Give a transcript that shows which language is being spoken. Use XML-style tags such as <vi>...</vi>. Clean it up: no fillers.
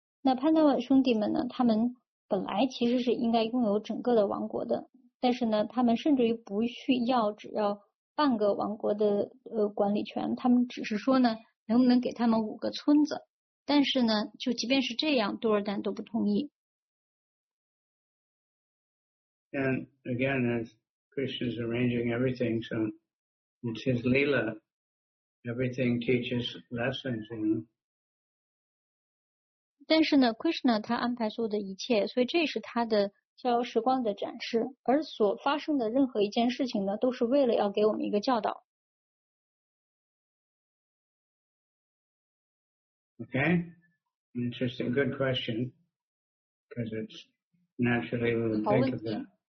<zh>那潘多瓦兄弟们呢，他们本来其实是应该拥有整个的王国的，但是呢他们甚至于不需要只要半个王国的管理权，他们只是说呢能不能给他们5个村子，但是呢就即便是这样多尔丹都不同意。</zh> <en>And again, as Krishna is arranging everything, so it's his Leela, everything teaches lessons, you know.</en> <zh>但是呢 Krishna 他安排所有的一切，所以这是他的逍遥时光的展示，而所发生的任何一件事情呢都是为了要给我们一个教导。</zh> <en>Okay, interesting, good question, because it's naturally we would think of that.</en>